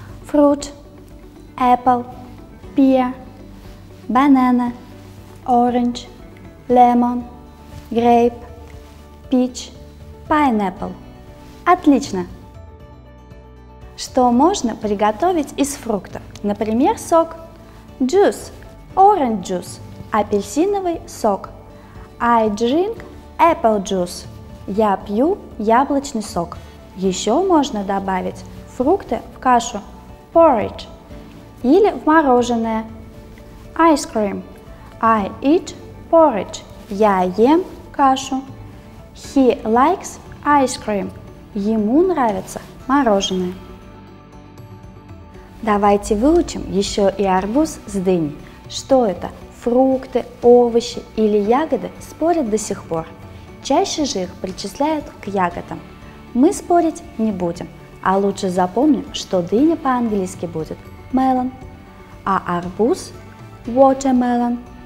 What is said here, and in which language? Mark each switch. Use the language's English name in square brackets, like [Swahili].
[English] Fruit, apple, pear, banana, orange, lemon, grape, peach, pineapple. [Russian] Отлично! Что можно приготовить из фруктов? Например, сок. [English] Juice – orange juice – [Russian] апельсиновый сок. [English] I drink apple juice – [Russian] я пью яблочный сок. Еще можно добавить фрукты в кашу – porridge. Или в мороженое – ice cream. [English] I eat porridge [Russian] – я ем кашу. [English] He likes ice cream – [Russian] ему нравится мороженое. Давайте выучим еще и арбуз с дыней. Что это? Фрукты, овощи или ягоды спорят до сих пор. Чаще же их причисляют к ягодам. Мы спорить не будем, А лучше запомним, что дыня по-английски будет melon, а арбуз – watermelon.